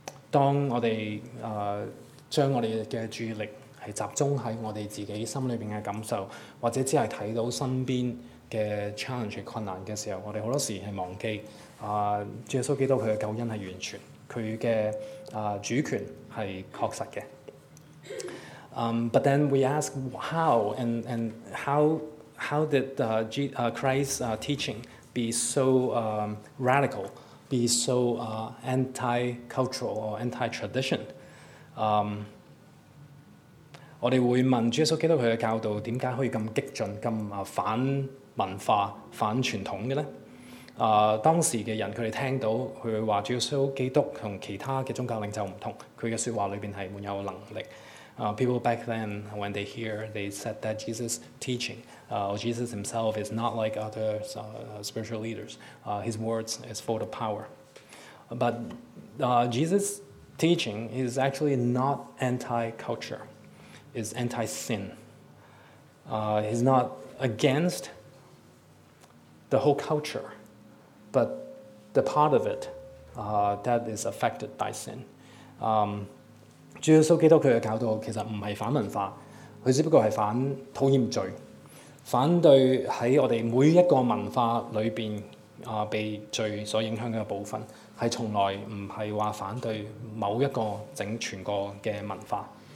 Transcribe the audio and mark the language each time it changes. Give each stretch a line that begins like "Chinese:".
Chinese: 當我們將我們的注意力是集中在我們自己心裏面的感受，或者只是看到身邊的 challenge 困難的時候，我們很多時候是忘記耶穌基督他的救恩是完全，他的主權是確實的。
English: But then we ask how and how did Christ's teaching be so radical, be so anti-cultural or anti-tradition?
Chinese: 我們會問主耶穌基督他的教導為何可以這麼激進，這麼反文化、反傳統的呢？當時的人他們聽到他說主耶穌基督和其他的宗教領袖不同，他的說話裡面是沒有能力，
English: People back then, when they hear, they said that Jesus' teaching, Jesus himself is not like other spiritual leaders. His words is full of power. But Jesus' teaching is actually not anti-culture. It's anti-sin. He's not against the whole culture, but the part of it that is affected by sin.
Chinese: 主耶穌基督他的教導其實不是反文化，他只不過是反討厭罪，反對在我們每一個文化裡面被罪所影響的部分，是從來不是說反對某一個整全個的文化。